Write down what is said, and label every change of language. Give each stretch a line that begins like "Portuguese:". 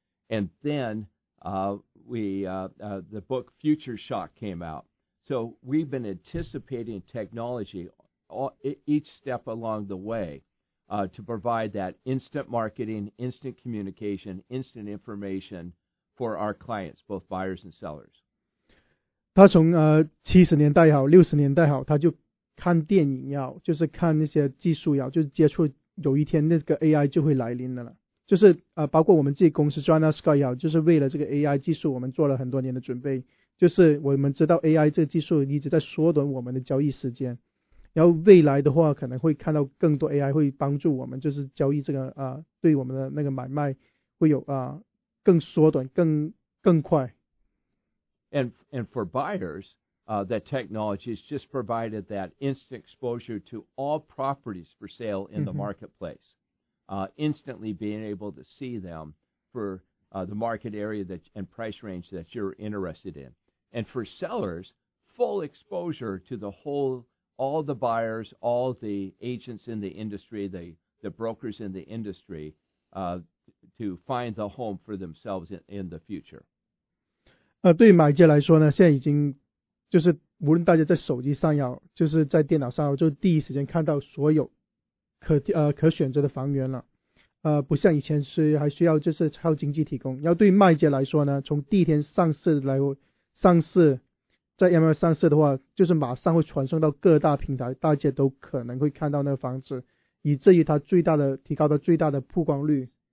English: And then the book Future Shock came out. So we've been anticipating technology each step along the way to provide that instant marketing, instant communication, instant information. For our clients, both buyers and sellers.
Chinese: 他从70年代好60年代好他就看电影要就是看那些技术要就是接触有一天那个 AI 就会来临的了。就是包括我们自己公司 Joanna Scott 要就是为了这个 AI 技术我们做了很多年的准备。就是我们知道 AI 这个技术一直在缩短我们的交易时间。然后未来的话可能会看到更多 AI 会帮助我们就是交易这个对我们的那个买卖会有更缩短更快。
English: And for buyers, the technology has just provided that instant exposure to all properties for sale in the marketplace. Instantly being able to see them for the market area that, and price range that you're interested in. And for sellers, full exposure to the whole, all the buyers, all the agents in the industry, the brokers in the industry, to find the home for themselves in the future.
Chinese: 对买家来说呢，现在已经就是无论大家在手机上要，就是在电脑上要，就第一时间看到所有可选择的房源了。不像以前是还需要就是靠经纪提供。要对卖家来说呢，从第一天上市在 MLS 上市的话，就是马上会传送到各大平台，大家都可能会看到那个房子，以至于它最大的提高到最大的曝光率。